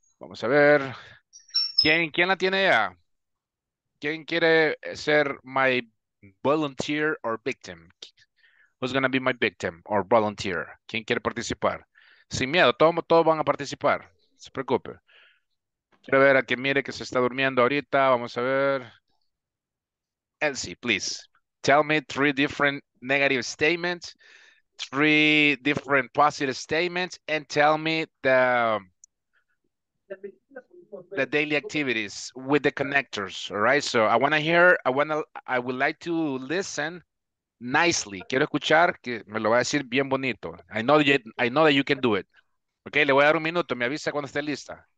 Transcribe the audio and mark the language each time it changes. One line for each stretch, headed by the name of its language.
Spanish: Vamos a ver. ¿Quién la tiene ya? ¿Quién quiere ser
English: my volunteer or victim? Who's going to be my victim or volunteer?
Spanish: ¿Quién quiere participar? Sin miedo, todos van a participar. No se preocupe. Quiero ver a quien mire que se está durmiendo ahorita. Vamos a ver. Elsie, please.
English: Tell me 3 different negative statements, 3 different positive statements, and tell me the daily activities with the connectors. All right, so I would like to listen nicely.
Spanish: Quiero escuchar que me lo va a decir bien bonito.
English: I know that you can do it.
Spanish: Okay, le voy a dar un minuto. Me avisa cuando esté lista.